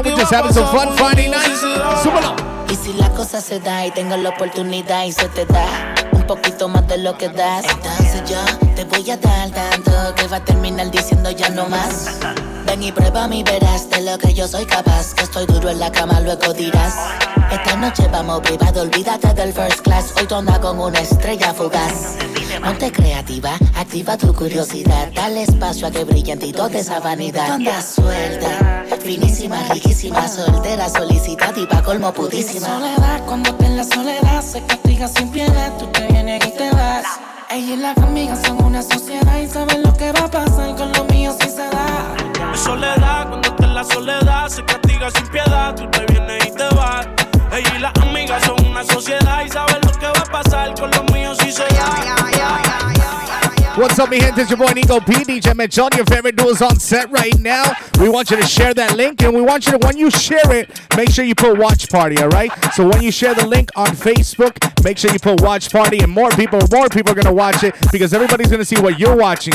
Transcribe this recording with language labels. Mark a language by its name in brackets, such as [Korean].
[English] We're just having some fun Friday night. [Spanish] Súbalo. Y si la cosa se da y tengo la oportunidad y se te da, un un poquito más de lo que das. Entonces yo te voy a dar tanto que va a terminar diciendo ya no más. Ven y prueba mi verás de lo que yo soy capaz. Que estoy duro en la cama, luego dirás. Esta noche vamos privado, olvídate del first class. Hoy tú andas con una estrella fugaz. Ponte creativa, activa tu curiosidad. Dale espacio a que brillen y toda esa vanidad. Tú andas suelta, finísima, riquísima. Soltera, solicitada y pa' colmo putísima. Soledad, cuando estás en la soledad, se castiga sin piedad. Tú te vienes y te vas. Ella y las amigas son una sociedad. Y saben lo que va a pasar con lo mío si se da. Es soledad, cuando estás en la soledad, se castiga sin piedad. Tú te vienes y te vas. Ella y las amigas son una sociedad. Y saben lo que va a pasar con lo mío si se da. [English] What's up, [Spanish] mi gente? [English] It's your boy Nico P, DJ Metzon. Your favorite duo is on set right now. We want you to share that link, and we want you to, when you share it, make sure you put watch party, all right? So when you share the link on Facebook, make sure you put watch party, and more people are going to watch it because everybody's going to see what you're watching.